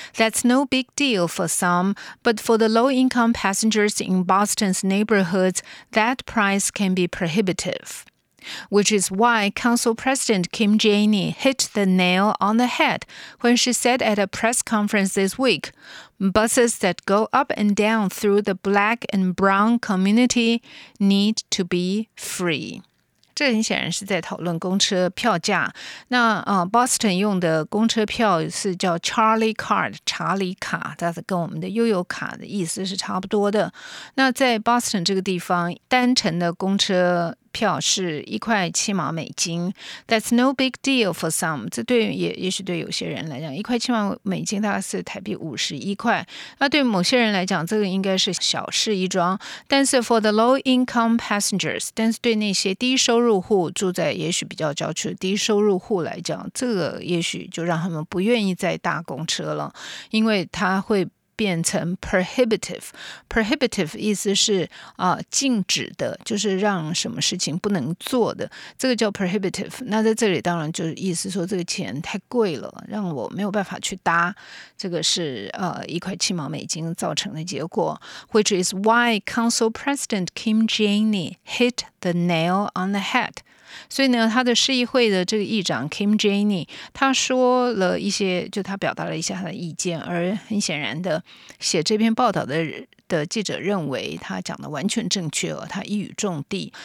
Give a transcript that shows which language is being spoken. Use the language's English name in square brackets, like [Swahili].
[English] That's no big deal for some, but for the low-income passengers in Boston's neighborhoods, that price can be prohibitive. Which is why Council President Kim Janey hit the nail on the head when she said at a press conference this week, buses that go up and down through the black and brown community need to be free. [Chinese] 这很显然是在讨论公车票价。那Boston 用的公车票是叫 Charlie Card, 查理卡，它是跟我们的悠游卡的意思是差不多的。那在 Boston 这个地方，单程的公车票是$1.7. [English] That's no big deal for some. [Chinese] 这对也许对有些人来讲，$1.7大概是台币51块。那对某些人来讲，这个应该是小事一桩。但是 [English] for the low income passengers, [Chinese] 但是对那些低收入户住在也许比较郊区的低收入户来讲，这个也许就让他们不愿意再搭公车了，因为他会变成 prohibitive. Prohibitive 意思是禁止的，就是让什么事情不能做的，这个叫 prohibitive. 那在这里当然就是意思说这个钱太贵了，让我没有办法去搭，这个是$1.7造成的结果。 [English] Which is why Council President Kim Janey hit the nail on the head. [Chinese] 所以呢，他的市议会的这个议长 Kim Janey, 他说了一些，就他表达了一下他的意见，而很显然的，写这篇报道的记者认为他讲的完全正确哦，他一语中的。